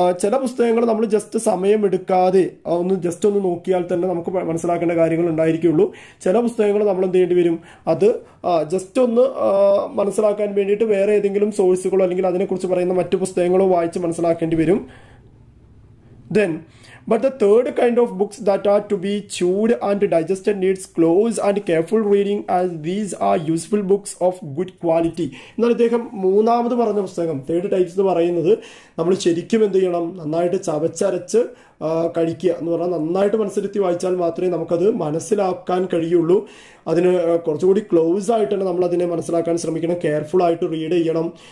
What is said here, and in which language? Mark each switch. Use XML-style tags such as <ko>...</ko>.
<ml>ചില പുസ്തകങ്ങൾ നമ്മൾ ജസ്റ്റ് സമയമെടുക്കാതെ ഒന്ന് ജസ്റ്റ് ഒന്ന് നോക്കിയാൽ തന്നെ നമുക്ക് മനസ്സിലാക്കേണ്ട കാര്യങ്ങൾ ഉണ്ടായിരിക്കുള്ളൂ. ചില പുസ്തകങ്ങൾ നമ്മൾ എന്ത് ചെയ്യേണ്ടി വരും, അത് ജസ്റ്റ് ഒന്ന് മനസ്സിലാക്കാൻ വേണ്ടിയിട്ട് വേറെ ഏതെങ്കിലും സോഴ്സുകളോ അല്ലെങ്കിൽ അതിനെക്കുറിച്ച് പറയുന്ന മറ്റു പുസ്തകങ്ങളോ വായിച്ച് മനസ്സിലാക്കേണ്ടി വരും.</ml> <en>Then But the third kind of books that are to be chewed and digested needs close and careful reading as these are useful books of good quality.</en> <ml>എന്നാൽ അദ്ദേഹം മൂന്നാമത് പറഞ്ഞ പുസ്തകം, തേർഡ് ടൈപ്പ്സ് എന്ന് പറയുന്നത്, നമ്മൾ ശരിക്കും എന്ത് ചെയ്യണം, നന്നായിട്ട് ചവച്ചരച്ച് കഴിക്കുക എന്ന് പറഞ്ഞാൽ നന്നായിട്ട് മനസ്സിലെത്തി വായിച്ചാൽ മാത്രമേ നമുക്കത് മനസ്സിലാക്കാൻ കഴിയുള്ളൂ. അതിന് കുറച്ചുകൂടി ക്ലോസ് ആയിട്ടാണ് നമ്മൾ അതിനെ മനസ്സിലാക്കാൻ ശ്രമിക്കണം, കെയർഫുള്ളായിട്ട് റീഡ് ചെയ്യണം.</ml>